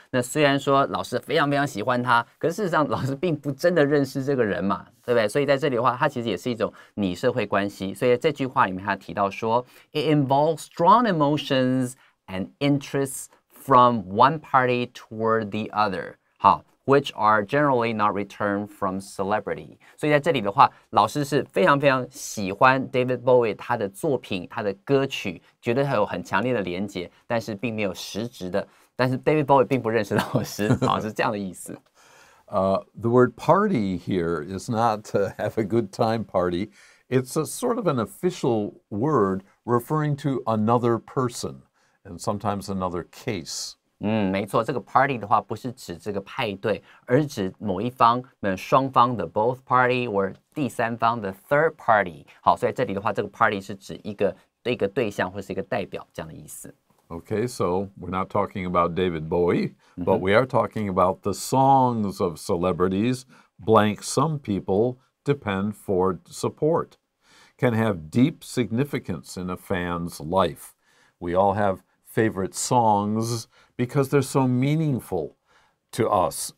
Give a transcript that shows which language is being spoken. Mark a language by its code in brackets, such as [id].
[zh] 那虽然说老师非常非常喜欢他，可是事实上老师并不真的认识这个人嘛，对不对？所以在这里的话，他其实也是一种拟社会关系。所以这句话里面他提到说 [en] It involves strong emotions and interests from one party toward the other. 好。Which are generally not returned from celebrity. [zh] 所以在这里的话，老师是非常非常喜欢 David Bowie 他的作品、他的歌曲，觉得他有很强烈的连结，但是并没有实质的。但是 David Bowie 并不认识老师，老师这样的意思。 [en] The word party here is not to have a good time party. It's a sort of an official word referring to another person and sometimes another case. [zh] 没错，这个 party 的话不是指这个派对，而是指某一方、双方的 [en] both party [zh] or 第三方的 [en] third party。 [zh] 好，所以这里的话，这个 party 是指一个对象或是一个代表这样的意思。 [en] Okay, so we're not talking about David Bowie, but we are talking about the songs of celebrities. Blank some people depend for support, can have deep significance in a fan's life. We all have favorite songs. Because they're so meaningful to us.